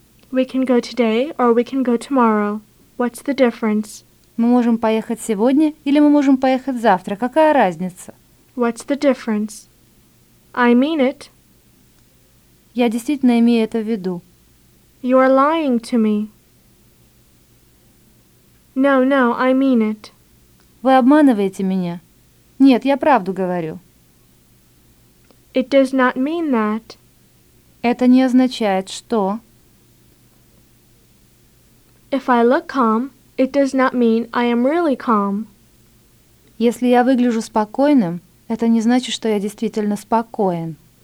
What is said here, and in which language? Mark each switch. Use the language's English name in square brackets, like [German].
[English] We can go today or we can go tomorrow. What's the difference? [Russian] Мы можем поехать сегодня или мы можем поехать завтра. Какая разница? [English] What's the difference? I mean it. [Russian] Я действительно имею это в виду. [English] You are lying to me. No, no, I mean it. [Russian] Вы обманываете меня. Нет, я правду говорю. [English] It does not mean that. [Russian] Это не означает, что. [English] If I look calm, it does not mean I am really calm. [Russian] Если я выгляжу спокойным, это не значит, что я действительно спокоен.